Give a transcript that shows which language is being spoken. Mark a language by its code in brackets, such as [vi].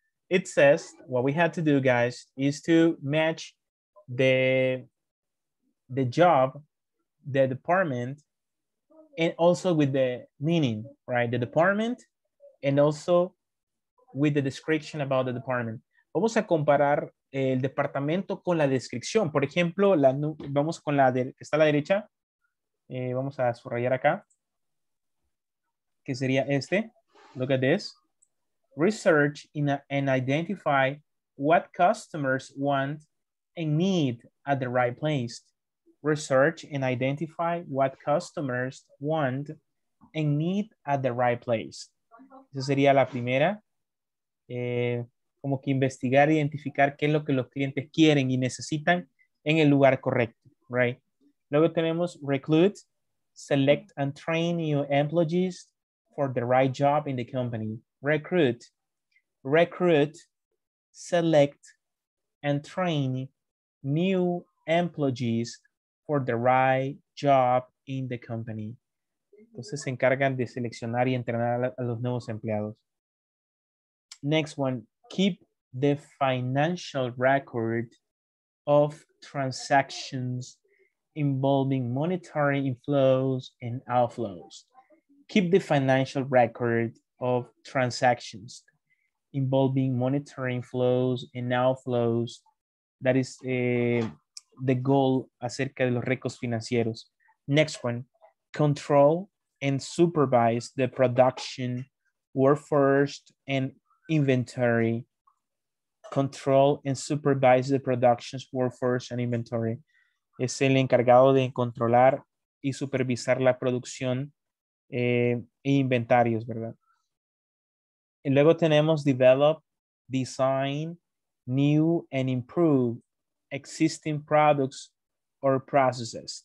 [en] It says, what we had to do, guys, is to match the job, the department, and also with the meaning, right? The department, and also with the description about the department. [es] Vamos a comparar el departamento con la descripción. Por ejemplo, vamos con la que está a la derecha. Vamos a subrayar acá, que sería este. [en] Look at this. Research and identify what customers want and need at the right place. Research and identify what customers want and need at the right place. [es] Esa sería la primera. Como que investigar, identificar qué es lo que los clientes quieren y necesitan en el lugar correcto, [en] right? [es] Luego tenemos [en] recruit, select and train new employees for the right job in the company. Recruit. Recruit, select, and train new employees for the right job in the company. [es] Entonces se encargan de seleccionar y entrenar a los nuevos empleados. [en] Next one, keep the financial record of transactions involving monetary inflows and outflows. Keep the financial record of transactions involving monetary inflows and outflows. That is the goal [es] acerca de los récords financieros. [en] Next one, control and supervise the production, workforce, and inventory. Control and supervise the production, workforce, and inventory. [es] Es el encargado de controlar y supervisar la producción e inventarios, ¿verdad? Y luego tenemos [en] develop, design, new and improve existing products or processes.